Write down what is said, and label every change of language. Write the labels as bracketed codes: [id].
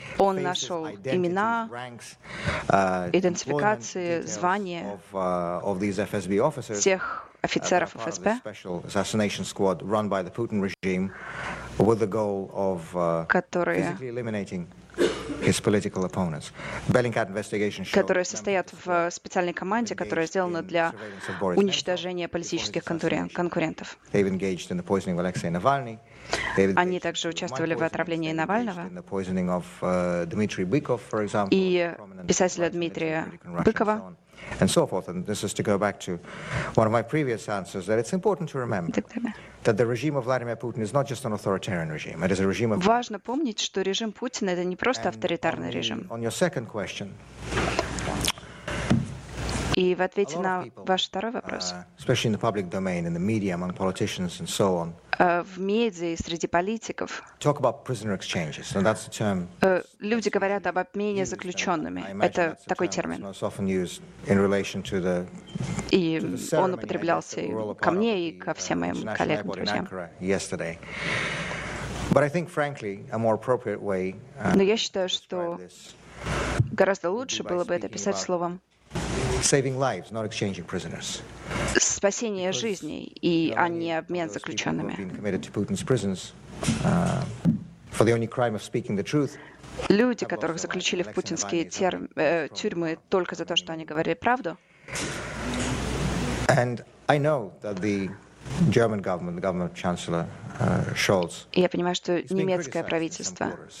[ru] он нашел имена, ranks, идентификации, звания [en] of these FSB officers, [ru] всех офицеров ФСБ, [en] special assassination squad run by the Putin regime, with the goal of [ru] которые [en] physically eliminating his political opponents. Bellingcat investigation showed [ru] которые состоят в специальной команде, которая сделана для уничтожения политических конкурентов. [en] They've engaged in the poisoning of Alexei Navalny. [ru] Они также участвовали в отравлении Навального и писателя Дмитрия Быкова. [en] And so forth. And this is to go back to one of my previous answers, that it's important to remember that the regime of Vladimir Putin is not just an authoritarian regime. It is a regime of... [ru] Важно помнить, что режим Путина это не просто авторитарный режим. [en] On your second question... [ru] И в ответе на ваш второй вопрос. [en] Especially in the public domain, in the media, among politicians and so on. [ru] В медиа и среди политиков. [en] Talk about prisoner exchanges. So that's the term. [ru] Люди говорят об обмене заключенными. Это такой термин. [en] It's often used in relation to the. [ru] И он употреблялся ко мне и ко всем моим коллегам, друзьям. [en] Yesterday. But I think, frankly, a more appropriate way. [ru] Но я считаю, что гораздо лучше было бы это писать словом. [en] Saving lives, not exchanging prisoners. [ru] Спасение жизней, и а не обмен заключенными. [en] For the only crime of speaking the truth. [ru] Люди, которых заключили в путинские тюрьмы только за то, что они говорили правду. [en] And I know that the German government, the government of Chancellor Scholz. [ru] Я понимаю, что немецкое правительство.